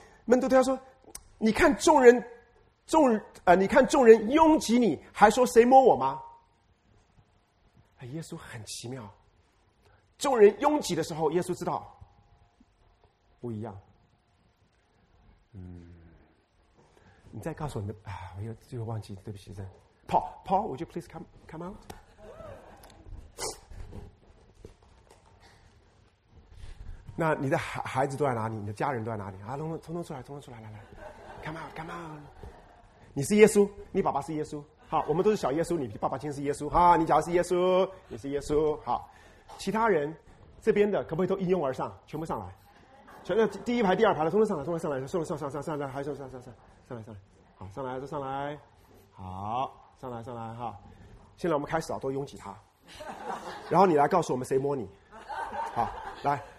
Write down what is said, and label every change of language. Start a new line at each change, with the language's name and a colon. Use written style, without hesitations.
Chinese: 门徒对他说：“你看众人，你看众人拥挤你，还说谁摸我吗？” 耶稣很奇妙，众人拥挤的时候，耶稣知道不一样。嗯，你再告诉我们啊，我又最后忘记，对不起，真。
English: Paul, would you please come out?
Chinese: 那你的孩子都在哪里？你的家人都在哪里？啊，通通出来，通通出来，来来 ，
English: come on，
Chinese: 你是耶稣，你爸爸是耶稣，好，我们都是小耶稣，你爸爸先是耶稣，好，你假如是耶稣，你是耶稣，好，其他人这边的可不可以都一拥而上，全部上来，全那第一排、第二排的，通通上来，上来，还有上来，好，上来都上来，好，上来哈，现在我们开始啊，都拥挤他，然后你来告诉我们谁摸你，好，来。